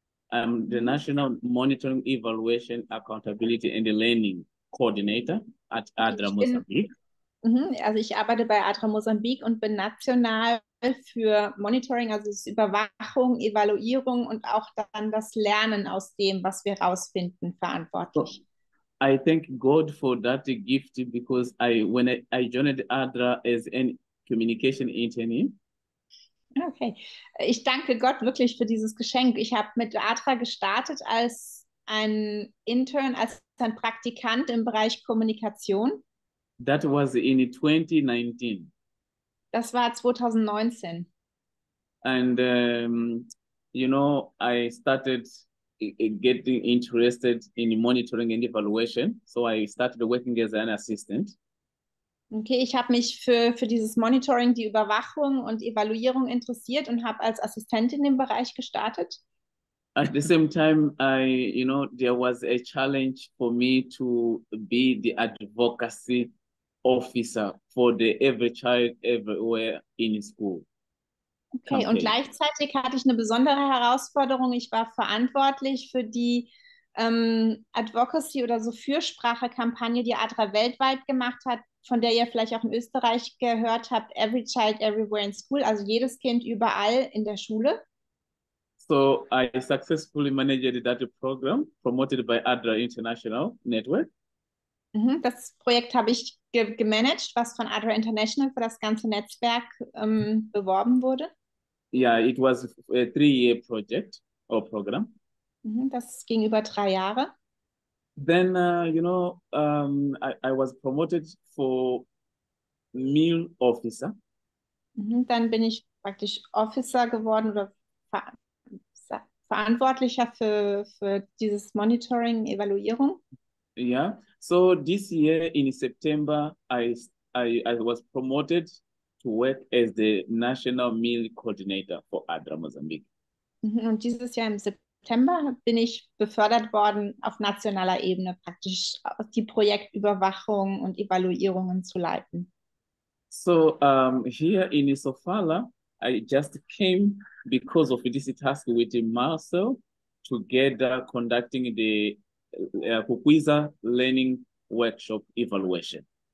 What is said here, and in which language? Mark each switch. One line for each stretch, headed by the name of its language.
English: I'm the National Monitoring, Evaluation, Accountability and Learning Coordinator at ADRA Mozambique.
German: Also ich arbeite bei ADRA Mozambique und bin national für Monitoring, also das ist Überwachung, Evaluierung und auch dann das Lernen aus dem, was wir rausfinden, verantwortlich.
English: So. I thank God for that gift because when I joined ADRA as a communication intern.
German: Okay, ich danke Gott wirklich für dieses Geschenk. Ich habe mit ADRA gestartet als ein Intern, als ein Praktikant im Bereich Kommunikation.
English: That was in 2019.
German: Das war 2019.
English: And you know, I started getting interested in monitoring and evaluation. So I started working as an assistant.
German: Okay, ich habe mich für dieses Monitoring, die Überwachung und Evaluierung interessiert und habe als Assistentin im Bereich gestartet.
English: At the same time, I, you know, there was a challenge for me to be the advocacy officer for the every child everywhere in school.
German: Okay, und gleichzeitig hatte ich eine besondere Herausforderung. Ich war verantwortlich für die Advocacy oder so Fürsprache-Kampagne, die ADRA weltweit gemacht hat, von der ihr vielleicht auch in Österreich gehört habt, Every Child Everywhere in School, also jedes Kind überall in der Schule.
English: So I successfully managed that program, promoted by ADRA International Network.
German: Das Projekt habe ich gemanagt, was von ADRA International für das ganze Netzwerk beworben wurde.
English: Yeah, it was a 3-year project or program.
German: Das ging über 3 Jahre.
English: Then, you know, I was promoted for meal officer.
German: Dann bin ich praktisch Officer geworden oder verantwortlicher für dieses Monitoring, Evaluierung.
English: Yeah, so this year in September, I was promoted to work as the National Meal Coordinator for ADRA Mozambique.
German: Und dieses Jahr im September bin ich befördert worden, auf nationaler Ebene praktisch die Projektüberwachung und Evaluierungen zu leiten.
English: So, here in Sofala, I just came because of this task with Marcel together conducting the Kukwiza Learning Workshop Evaluation.